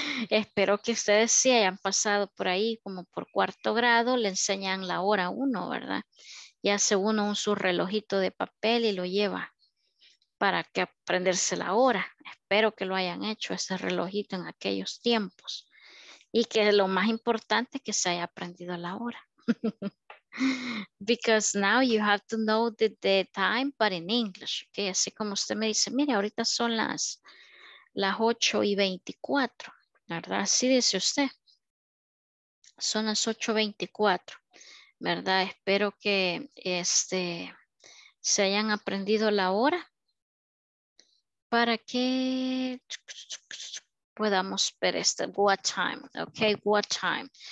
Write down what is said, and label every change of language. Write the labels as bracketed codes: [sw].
[es] Espero que ustedes sí hayan pasado por ahí como por cuarto grado, le enseñan la hora uno, ¿verdad? Y hace uno su relojito de papel y lo lleva para que aprenderse la hora. Espero que lo hayan hecho ese relojito en aquellos tiempos. Y que lo más importante es que se haya aprendido la hora. [en] Because now you have to know the time, but in English. ¿Okay? [es] Así como usted me dice, mire, ahorita son las 8:24, ¿verdad? Así dice usted. Son las 8:24, ¿verdad? Espero que este, se hayan aprendido la hora para que podamos ver este, [en] what time, ok, what time.